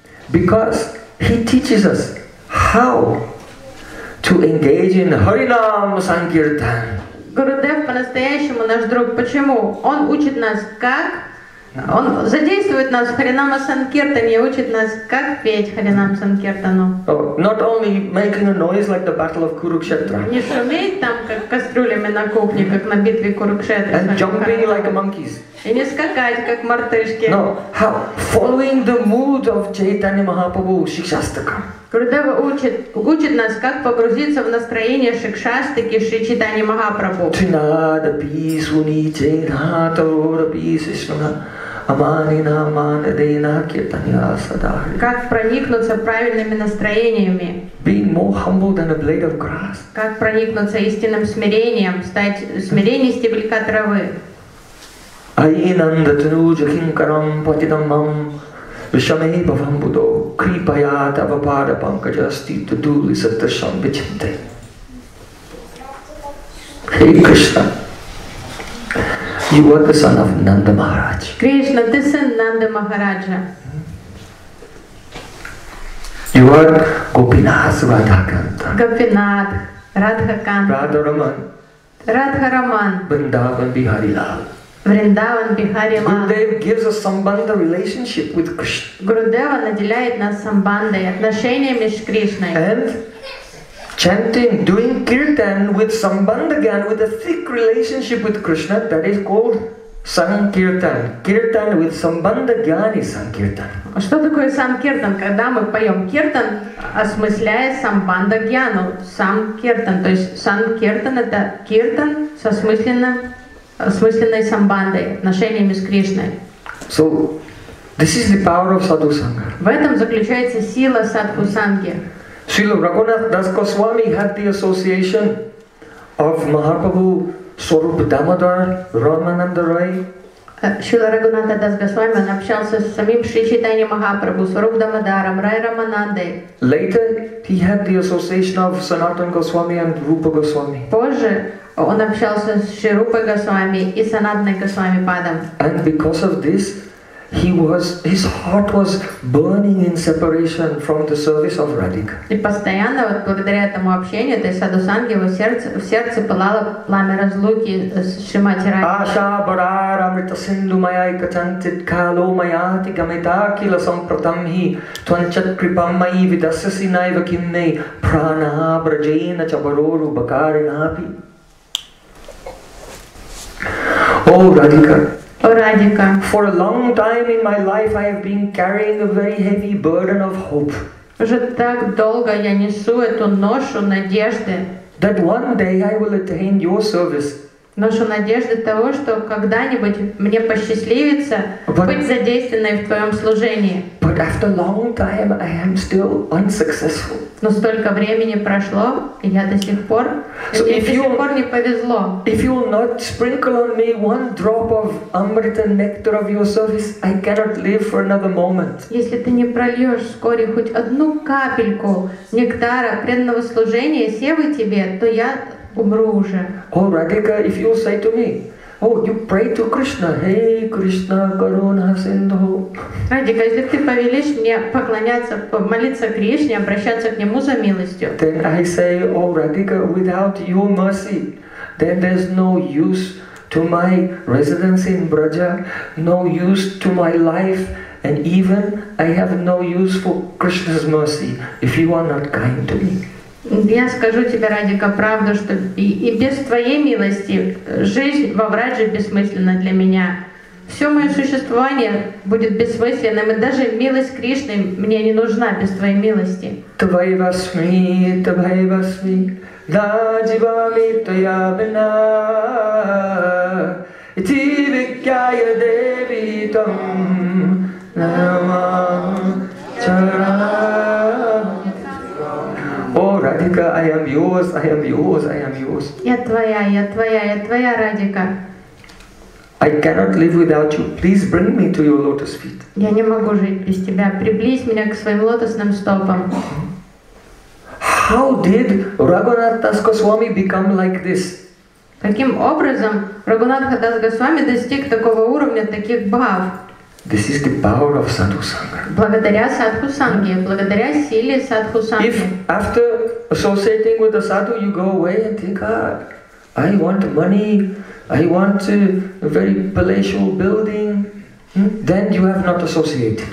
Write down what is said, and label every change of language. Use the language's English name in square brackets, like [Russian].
[English] Because he teaches us how to engage in Harinam Sankirtan. [Russian] Gurudev по-настоящему наш друг. Почему? Он учит нас как? Он задействует нас в Харинама Санкиртане, учит нас как петь Харинам Санкиртану. [English] Oh, not only making a noise like the battle of Kurukshetra. [Russian] Не шуметь там, как кастрюлями на кухне, как на битве Курукшетры. [English] And jumping like monkeys. [Russian] И не скакать, как мартышки. [English] No, how? Following the mood of Chaitanya Mahaprabhu, Шикшастака. [Russian] Гурудева учит нас, как погрузиться в настроение Шикшастаки, Шри Чайтаньи Махапрабху. [Sanskrit] Тринада писуни чайнатора писишна аманина манадейна киртанья садахри. [Russian] Как проникнуться правильными настроениями. [English] Being more humble than a blade of grass. [Russian] Как проникнуться истинным смирением, стать смирением стебелька травы. [Sanskrit] Айинанда тануджа хинкарам патидамам. Вишамей бхавам будо, крипая тава пада панкаджа стита дули саттасам вичинте. [English] Хей Кришна, you are the son of Nanda Maharaj. [Russian] Кришна, ты сын Нанда Махараджа. [English] You are Гопинас Радхаканта. [Russian] Гопинат, Радхаканта. [English] Радха Раман. [Russian] Радха Раман. [English] Бриндаван Бихари Лал. [Russian] Вриндаван Бихари Ма. [English] Гурудев gives us самбанда relationship with Krishna. [Russian] Гурудева наделяет нас самбандой, отношениями с Кришной. [English] And chanting, doing kirtan with самбанда гян, with a thick relationship with Krishna, that is called sankirtan. Kirtan with самбанда гян is sankirtan. [Russian] А что такое санкиртан? Когда мы поем киртан, осмысляя самбанда гяну, санкиртан. То есть санкиртан это киртан с осмысленным осмысленной самбандой, отношениями с Кришной. [English] So, this is the power of Sadhu Sangha. [Russian] В этом заключается сила Садху Санги. [English] Srila Raghunath Das Goswami had the association of Mahaprabhu Swarup Damodar Ramananda Rai. [Russian] Srila Raghunath Das Goswami общался с самим Шри Чайтаньей Махапрабху, Сваруп Дамодаром, Рай Раманандой. [English] Later, he had the association of Sanatana Goswami and Rupa Goswami. [Russian] Позже он общался с Шри Рупой Госвами и Санатаной Госвами Падом. [English] And because of this, his heart was burning in separation from the service of Radhika. [Russian] И постоянно, вот благодаря этому общению, то есть Саду Санги, в сердце пылало пламя разлуки с Шримати Радхикой. [Sanskrit] Аша барара мрита синду мая и катантит кало мая ти гамита кила сампратам хи тванчат крипам мая видасаси най вакинней прана браджейна чабарору бакаринапи. [English] О, Радика. For a long time in my life, I have been carrying a very heavy burden of hope. [Russian] Уже так долго я несу эту ношу надежды. [English] That one day I will attain your service. [Russian] Ношу надежды того, что когда-нибудь мне посчастливится быть задействованной в твоем служении. [English] But after long time, I am still unsuccessful. [Russian] Но столько времени прошло, и я до сих пор, [English] so [Russian] мне до сих пор не повезло. [English] If you will not sprinkle on me one drop of amrita nectar of your service, I cannot live for another moment. [Russian] Если ты не прольешь вскоре хоть одну капельку нектара преданного служения севы тебе, то я умру уже. [English] О, Радика, if you say to me, oh, you pray to Krishna, hey Krishna, Karuna Sindhu. [Russian] Радика, если ты повелишь мне поклоняться, молиться Кришне, обращаться к Нему за милостью. [English] Then I say, oh Radika, without your mercy, then there's no use to my residence in Braja, no use to my life, And even I have no use for Krishna's mercy if you are not kind to me. [Russian] Я скажу тебе, Радика, правду, что и без твоей милости жизнь во Врадже бессмысленна для меня. Все мое существование будет бессмысленным, и даже милость Кришны мне не нужна без твоей милости. [Sanskrit] Твои восьми, твои восьми, да дивами твоя вина, и ты викая деви там, намам чарам. [English] Радика, I am yours, I am yours, I am yours. [Russian] Я твоя, я твоя, я твоя, Радика. [English] I cannot live without you. Please bring me to your lotus feet. [Russian] Я не могу жить без тебя. Приблизь меня к своим лотосным стопам. [English] How did Raghunath Das Goswami become like this? [Russian] Каким образом Raghunath Das Goswami достиг такого уровня, таких бхав? This is the power of Sadhu Sangha. Благодаря Садху Санге, благодаря силе Садху Санги. [English] If after associating with the Sadhu, you go away and think, I want money, I want a very palatial building, then you have not associated.